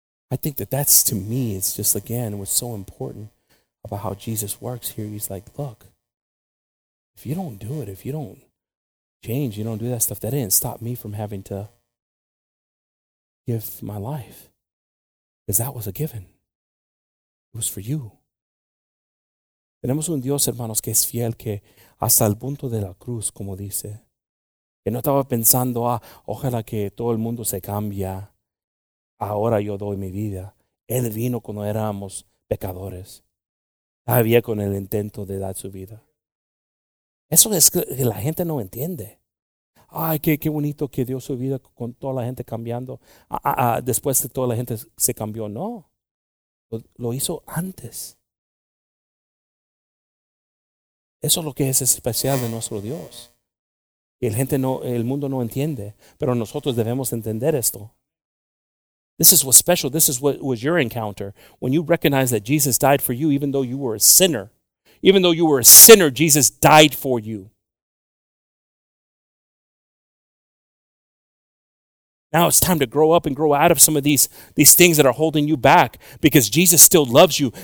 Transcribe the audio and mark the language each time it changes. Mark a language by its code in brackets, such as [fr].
[en] I think that that's, to me, it's just, again, what's so important about how Jesus works here. He's like, look, if you don't do it, if you don't change, you don't do that stuff, that didn't stop me from having to give my life. Because that was a given. It was for you. [es] Tenemos un Dios, hermanos, que es fiel, que hasta el punto de la cruz, como dice, que no estaba pensando, ah, ojalá que todo el mundo se cambie. Ahora yo doy mi vida. Él vino cuando éramos pecadores. Todavía con el intento de dar su vida. Eso es que la gente no entiende. Ay, qué bonito que dio su vida con toda la gente cambiando. Después de toda la gente se cambió. No, lo hizo antes. Eso es lo que es especial de nuestro Dios. El gente no, el mundo no entiende, pero nosotros debemos entender esto. [en] This is what's special. This is what was your encounter. When you recognize that Jesus died for you, even though you were a sinner. Even though you were a sinner, Jesus died for you. Now it's time to grow up and grow out of some of these things that are holding you back, because Jesus still loves you.